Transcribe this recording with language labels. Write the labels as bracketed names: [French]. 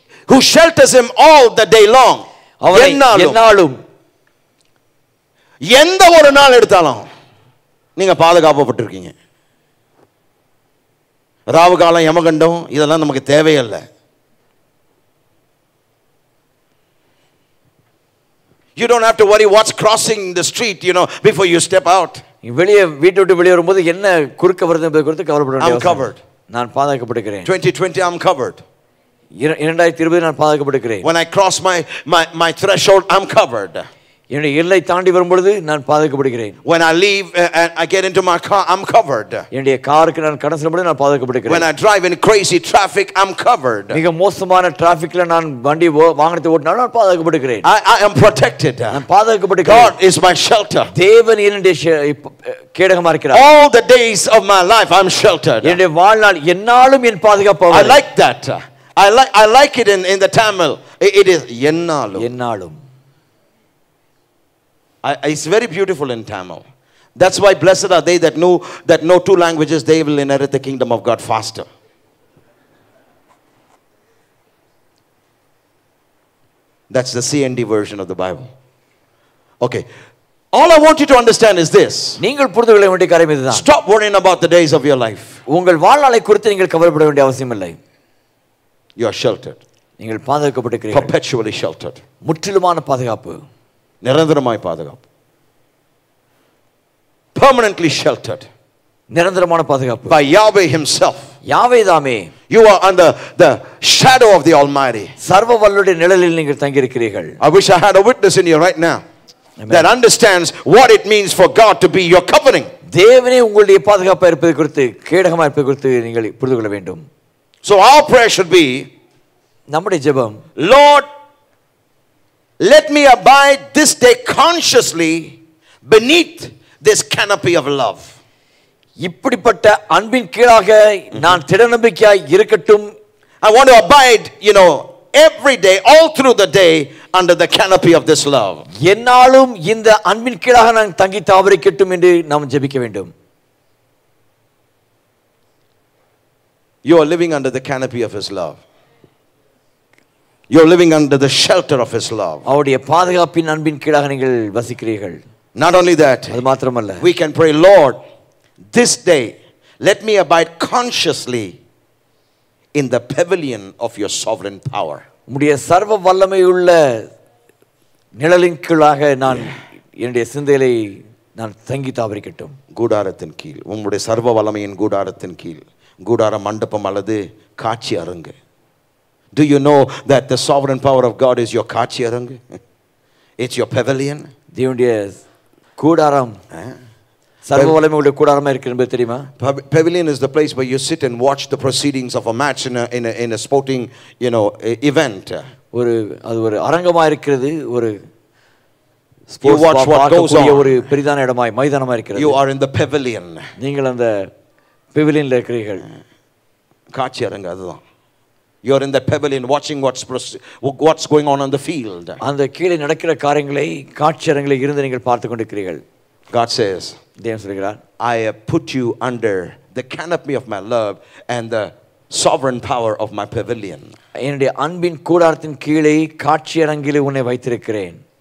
[English] Who shelters him all the day long. [Tamil] அவரை எந்நாளும் எந்த ஒரு நாள் எடுத்தாலும் நீங்க பாதுகாக்கப்பட்டிருக்கீங்க. ராவு காலம், யமகண்டம், இதெல்லாம் நமக்கு தேவையில்லை. [English] You don't have to worry what's crossing the street, you know, before you step out. [Tamil] வெளியே வீட்டை விட்டு வெளியே வரும்போது என்ன குறுக்க வருது என்பதை குறித்து கவலைப்பட வேண்டாம். [English] I'm covered. [Tamil] நான் பாதுகாக்கப்படுகிறேன். [English] 2020 I'm covered. [Tamil] 2020 நான் பாதுகாக்கப்படுகிறேன். [English] When I cross my threshold, I'm covered. [Tamil] என்னுடைய எல்லை தாண்டி வரும்பொழுது நான் பாதுகாக்கப்படுகிறேன். [English] When I leave and I get into my car, I'm covered. [Tamil] என்னுடைய காருக்கு நான் கடந்து வரும்பொழுது நான் பாதுகாக்கப்படுகிறேன். [English] When I drive in crazy traffic, I'm covered. [Tamil] மிக மோசமான டிராஃபிக்ல நான் வண்டி வாகனத்தை ஓட்டினா நான் பாதுகாக்கப்படுகிறேன். [English] I am protected. [Tamil] நான் பாதுகாக்கப்படுகிறேன். [English] God is my shelter. [Tamil] தேவன் என்னுடைய கேடகமா இருக்கிறார். [English] All the days of my life, I'm sheltered. [Tamil] என்னுடைய வாழ்நாள் எல்லாலும் என் பாதுகாப்பாக. [English] I like that. I like it in the Tamil. It is ennalum. [Tamil] Ennalum. [English] It's very beautiful in Tamil. That's why blessed are they that know two languages. They will inherit the kingdom of God faster. That's the CND version of the Bible. Okay. All I want you to understand is this. [Tamil] நீங்கள் புரிந்து கொள்ள வேண்டிய காரியம் இதுதான். [English] Stop worrying about the days of your life. [Tamil] உங்கள் வாழ்நாளை குறித்து நீங்கள் கவலைப்பட வேண்டிய அவசியம் இல்லை. [English] You are sheltered. [Tamil] நீங்கள் பாதுகாக்கப்பட்டிருக்கிறீர்கள். [English] Perpetually sheltered. [Tamil] முற்றிலுமான பாதுகாப்பு. நிரந்தரமாய் பாதுகாப்பு. [English] Permanently sheltered. [Tamil] நிரந்தரமான பாதுகாப்பு. [English] By Yahweh himself. [Tamil] யாவே தாமே. [English] You are under the shadow of the Almighty. [Tamil] சர்வவல்லுடைய நிழலில் நீங்கள் தங்கி இருக்கிறீர்கள். [English] I wish I had a witness in you right now. Amen. That understands what it means for God to be your covering. [Tamil] தேவனே உங்களுடைய பாதுகாப்பு இருப்பது குறித்து கேடகமா இருப்பது குறித்து நீங்கள் புரிந்து கொள்ள வேண்டும். [English] So our prayer should be, [Tamil] நம்முடைய ஜெபம், [English] Lord, let me abide this day consciously beneath this canopy of love. [Tamil] இப்படிப்பட்ட அன்பின் கீழாக நான் திடநம்பிக்கையாய் இருக்கட்டும். [English] I want to abide, you know, every day, all through the day, under the canopy of this love. [Tamil] என்னாலும் இந்த அன்பின் கீழாக நான் தங்கி தாவரிக்கட்டும் என்று நாம் ஜெபிக்க வேண்டும். [English] You are living under the canopy of his love. You are living under the shelter of his love. [Tamil] அவருடைய பாதுகாப்பின் அன்பின் கீழாக நீங்கள் வசிக்கிறீர்கள். [English] Not only that. [Tamil] அது மட்டுமல்ல. [English] We can pray, Lord, this day let me abide consciously in the pavilion of your sovereign power. [Tamil] உம்முடைய சர்வ வல்லமையுள்ள நிழலின் கீழாக நான் என்னுடைய சிந்தையை நான் தங்கி தாவரிக்கட்டும். கூடாரத்தின் கீழ், உம்முடைய சர்வ வல்லமையின் கூடாரத்தின் கீழ், கூடார மண்டபம் அல்லது காட்சி அரங்கு. [English] Do you know that the sovereign power of God is your [Tamil] காட்சி அரங்கு? [English] It's your pavilion. [Tamil] தேவனுடைய கூடாரம் சர்வவல்லமையுள்ள கூடாரமா இருக்கு என்பது தெரியுமா? [English] Pavilion is the place where you sit and watch the proceedings of a match in a sporting, you know, event. [Tamil] ஒரு அது ஒரு அரங்கமா இருக்கிறது. ஒரு [English] Sports watch what goes on. [Tamil] ஒரு பிரதான இடமாய் மைதானமா இருக்கிறது. [English] You are in the pavilion. [Tamil] நீங்கள் அந்த பெவிலியன்ல இருக்கிறீர்கள். காட்சி அரங்கு அதுதான். [English] You are in the pavilion watching what's going on the field. [Tamil] அந்த கீழே நடக்கிற காரியங்களை காட்சி அரங்கில் இருந்து நீங்கள் பார்த்து கொண்டிருக்கிறீர்கள். [English] God says, [Tamil] தேவன் சொல்கிறார், [English] I have put you under the canopy of my love and the sovereign power of my pavilion. [Tamil] என்னுடைய அன்பின் கூடாரத்தின் கீழே காட்சி அரங்கில் உன்னை வைத்திருக்கிறேன்.